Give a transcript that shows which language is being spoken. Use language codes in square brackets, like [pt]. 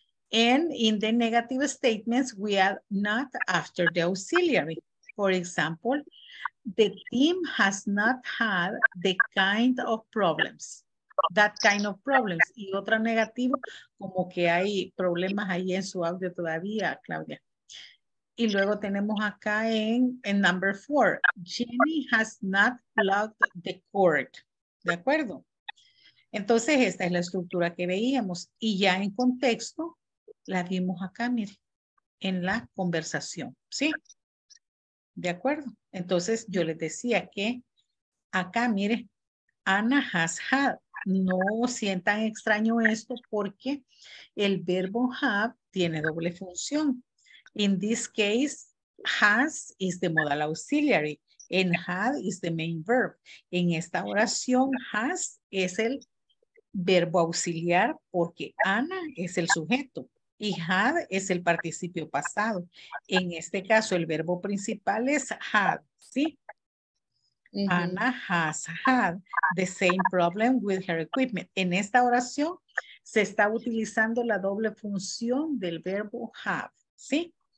[en] And in the negative statements, we are not after the auxiliary. For example, the team has not had the kind of problems. That kind of problems. [es] Y otra negativa, como que hay problemas ahí en su audio todavía, Claudia. Y luego tenemos acá en [en] number four, Jenny has not plugged the cord. [es] ¿De acuerdo? Entonces, esta es la estructura que veíamos. Y ya en contexto, la vimos acá, mire, en la conversación, ¿sí? ¿De acuerdo? Entonces, yo les decía que acá, mire, [en] Ana has had. [es] No sientan extraño esto porque el verbo have tiene doble función. [en] In this case, has is the modal auxiliary and had is the main verb. [es] En esta oración, has es el verbo auxiliar porque Ana es el sujeto. Y had es el participio pasado. En este caso, el verbo principal es had, ¿sí? Uh-huh. [en] Ana has had the same problem with her equipment. [es] En esta oración, se está utilizando la doble función del verbo have, ¿sí?